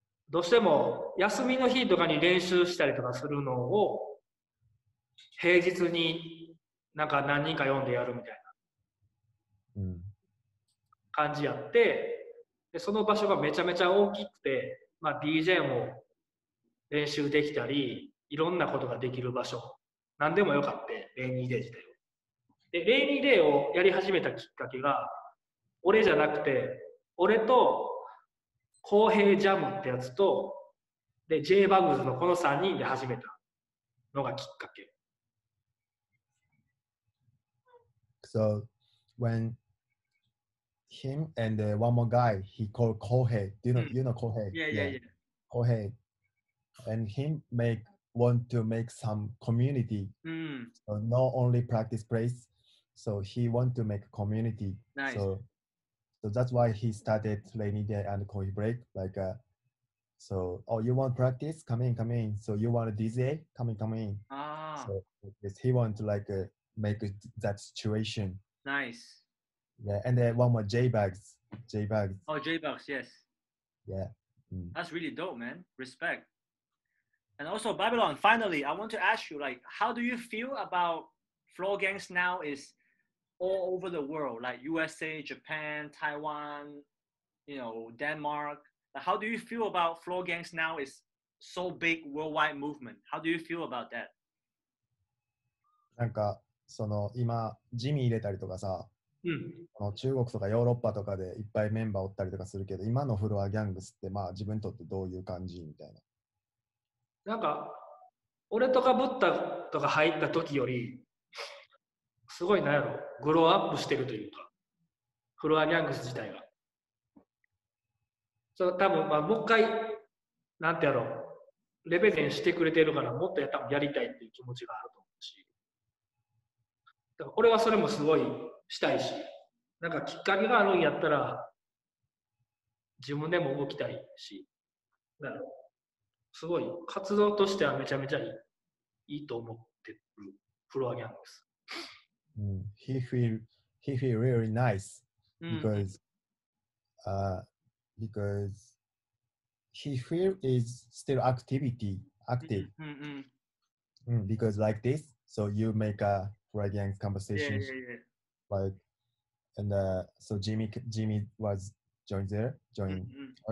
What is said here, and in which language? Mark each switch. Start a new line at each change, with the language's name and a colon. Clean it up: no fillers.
Japanese: どうしても休みの日とかに練習したりとかするのを平日になんか何人か読んでやるみたいな感じやって、でその場所がめちゃめちゃ大きくて、まあ、DJ も練習できたりいろんなことができる場所何でもよかったレイニーデー自体を。でレイニーデーをやり始めたきっかけが俺じゃなくて俺と公平ジャムってやつとで J バグズのこの3人で始めたのがきっかけ。
English: So when him and one more guy he called Kohei, do you know Kohei? Yeah. Kohei and him want to make some community. So not only practice place, so he want to make community. Nice. So So that's why he started rainy day and coffee break. Like, so, oh, you want practice? Come in, come in. So you want a DJ? Come in, come in. Ah. So he wants to like make that situation. Nice. Yeah, and then one more, J-Bags. J-Bags. Oh, J-Bags, yes. Yeah. Mm. That's really dope, man. Respect. And also, Babylon, finally, I want to ask you, like, how do you feel about floor gangs now is all over the world, like USA, Japan, Taiwan, you know, Denmark. How do you feel about floor gangs now is so big worldwide movement? How do you feel about that?
Japanese: なんかその今ジミー入れたりとかさ、うん、この中国とかヨーロッパとかでいっぱいメンバーおったりとかするけど、今のフロアギャングスってまあ自分にとってどういう感じみたいな。なんか俺とかブッダとか入った時よりすごいなんやろ、グローアップしてるというか、フロアギャングス自体が。そう、多分まあもう一回なんてやろう、レベゼンしてくれてるからもっと多分やりたいっていう気持ちがあると思うし、だから俺はそれもすごいしたいし、なんかきっかけがあるんやったら自分でも動きたいし、だからすごい活動としてはめちゃめちゃいいと思ってるフロアギャングです。
English: He feel really nice because、because he feel is still active mm-hmm. Mm, because like this, so you make a fragrance conversation, like, and so Jimmy was joined mm-hmm.